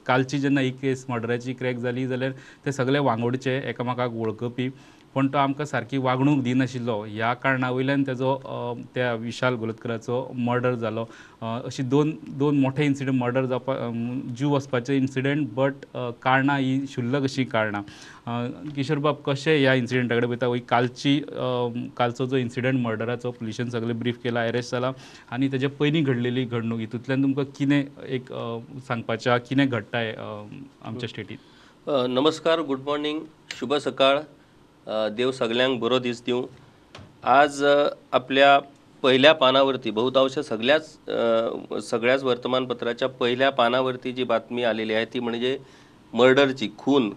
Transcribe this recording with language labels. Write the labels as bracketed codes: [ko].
[gom] कालची जेन्ना ही केस मर्डराची क्रॅक झाली जाल्यार ते सगळे वांगडचे एकामेकाक वळखपी. पण तो आमकां सारकी वागणूक दिनाशिल्लो. ह्या कारणा वयल्यान तेजो त्या विशाल गोलतकराचो मर्डर झालो. अशी दोन मोठे इन्सिडंट मर्डर जावपाक जीव वचपाचे इन्सिडंट. बट कारणां ही क्षुल्लक अशी कारणां. किशोर बाब कशे ह्या इन्सिडंटा कडेन पळयता. वयर कालची कालचो जो इन्सिडंट मर्डराचो पुलिसेन सगळें ब्रीफ केला, अरेस्ट जाला आनी तेजे पयलीं घडलेली घडणूक हितूंतल्यान तुमकां कितें एक सांगपाचें आहा, कितें घडटाय आमच्या स्टेटीन. नमस्कार, गूड मॉर्निंग, शुभ सकाळ. देव सगळ्यांक बरो दीस दिवं. [mr] आज आपल्या पहिल्या पानावरती बहुतांश सगळ्याच वर्तमानपत्राच्या पहिल्या पानावरती जी बातमी आलेली आहे ती म्हणजे मर्डरची खून.